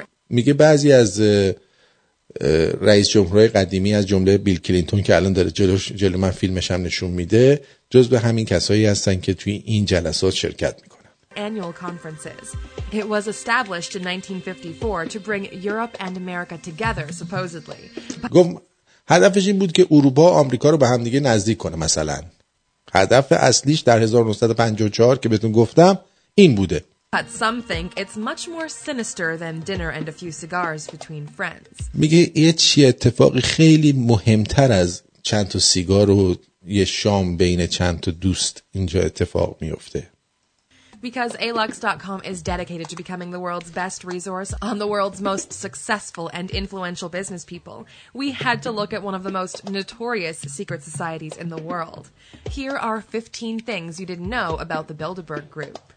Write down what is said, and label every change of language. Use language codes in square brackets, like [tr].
[fa] میگه بعضی از رئیس جمهورهای قدیمی از جمله بیل کلینتون که الان داره جلو من فیلمش هم نشون میده جز به همین کسایی هستن که توی این جلسات شرکت میکنن. [en] Annual conferences. It was established in 1954 to bring Europe and America together, supposedly. [fa] هدفش این بود که اروپا آمریکا رو به هم دیگه نزدیک کنه. مثلا هدف اصلیش در 1954 که بهتون گفتم این بوده. [en] But some think it's much more sinister than dinner and a few cigars between friends. [fa] میگه یه چی اتفاقی خیلی مهمتر از چند تا سیگار و یه شام بین چند تا دوست اینجا اتفاق میفته. [en] Because alux.com is dedicated to becoming the world's best resource on the world's most successful and influential business people, we had to look at one of the most notorious secret societies in the world. Here are 15 things you didn't know about the Bilderberg group.